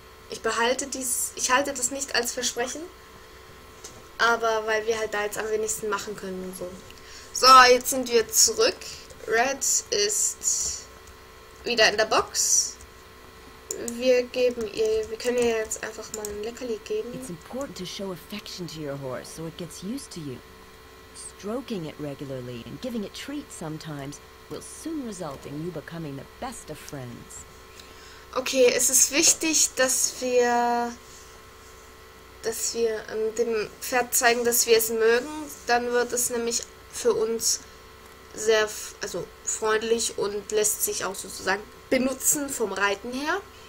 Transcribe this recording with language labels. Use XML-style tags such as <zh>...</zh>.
<de>Ich halte das nicht als Versprechen. Aber weil wir halt da jetzt am wenigsten machen können und so. So, jetzt sind wir zurück. Red ist wieder in der Box. Wir können ihr jetzt einfach mal ein Leckerli geben.</de> <en>It's important to show affection to your horse, so it gets used to you. Stroking it regularly and giving it treats sometimes will soon result in you becoming the best of friends.</en> <de>Okay, es ist wichtig, dass wir dem Pferd zeigen, dass wir es mögen. Dann wird es nämlich für uns sehr, also freundlich und lässt sich auch sozusagen benutzen vom Reiten her.</de>